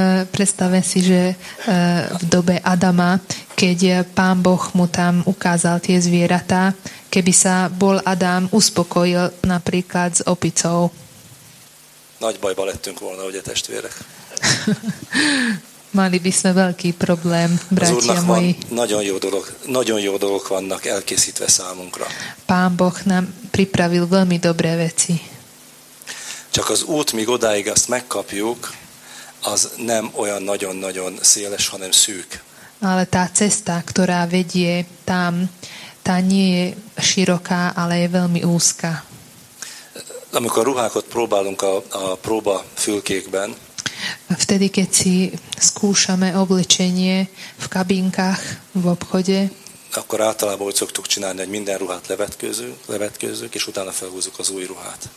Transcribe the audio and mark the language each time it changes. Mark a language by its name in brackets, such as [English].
[Slovak] Predstavme si, že v dobe Adama, keď Pán Boh mu tam ukázal tie zvieratá, keby sa bol Adam uspokojil napríklad s opicou. [Hungarian] Nagy bajba lettünk volna, ugye testvérek? [Slovak] Mali by sme veľký problém, bratia moji. [Hungarian] Nagyon jó dolog vannak elkészítve számunkra. [Slovak] Pán Boh nám pripravil veľmi dobré veci. [Hungarian] Csak az út, míg odáig azt megkapjuk, az nem olyan nagyon-nagyon széles, hanem szűk. [Slovak] Ale tá cesta, ktorá vedie tam, tá nie je široká, ale je veľmi úzka. [Hungarian] Amikor ruhákat próbálunk a próba fülkékben, [Slovak] vtedy, keď si skúšame oblečenie v kabinkách v obchode, [Hungarian] akkor általában úgy szoktuk csinálni, hogy minden ruhát levetkőzünk, és utána felhúzzuk az új ruhát.